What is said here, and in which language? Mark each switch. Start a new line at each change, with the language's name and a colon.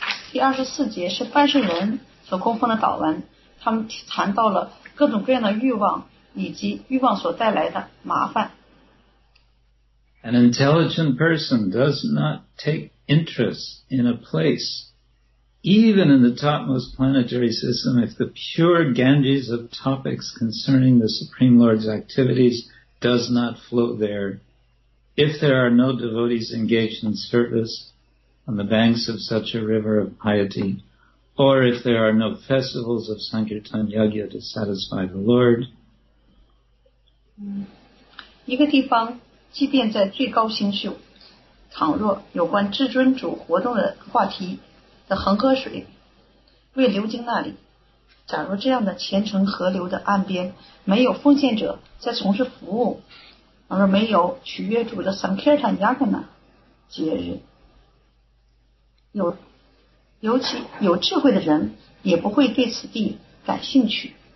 Chinese: 第24节是半世人所供奉的祷文，他们谈到了各种各样的欲望以及欲望所带来的麻烦。
English: An intelligent person does not take interest in a place, even in the topmost planetary system, if the pure Ganges of topics concerning the Supreme Lord's activities does not flow there. If there are no devotees engaged in service on the banks of such a river of piety, or if there are no festivals of Sankirtan Yajna to satisfy the Lord.
Chinese: 一个地方即便在最高星宿，倘若有关至尊主活动的话题的恒河水未流经那里，假如这样的虔诚河流的岸边没有奉献者在从事服务，而没有取悦主的 Sankirtan Yajna 节日，尤其有智慧的人也不会对此地感兴趣。